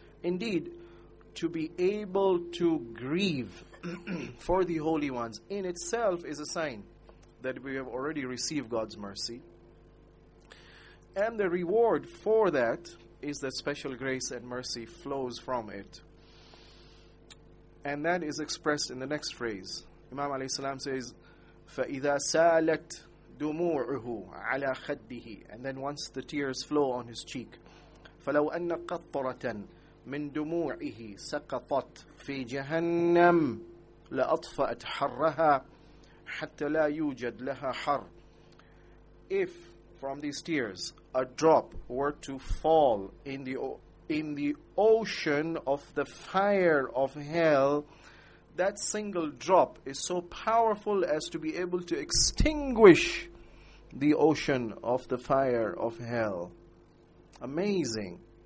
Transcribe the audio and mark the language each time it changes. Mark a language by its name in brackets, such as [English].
[English] Indeed, to be able to grieve for the holy ones in itself is a sign that we have already received God's mercy. And the reward for that is that special grace and mercy flows from it. And that is expressed in the next phrase. Imam alayhi salam says, [Arabic] فَإِذَا سَالَتْ دُمُوعُهُ عَلَى خَدِّهِ. [English] And then once the tears flow on his cheek, [Arabic] فَلَوْ أَنَّ قَطْرَةً مِنْ دُمُوعِهِ سَقَطَتْ فِي جَهَنَّمْ لَأَطْفَأَتْ حَرَّهَا حَتَّى لَا يُوجَدْ لَهَا حَرٌّ. [English] If from these tears a drop were to fall in the ocean of the fire of hell, that single drop is so powerful as to be able to extinguish the ocean of the fire of hell. Amazing.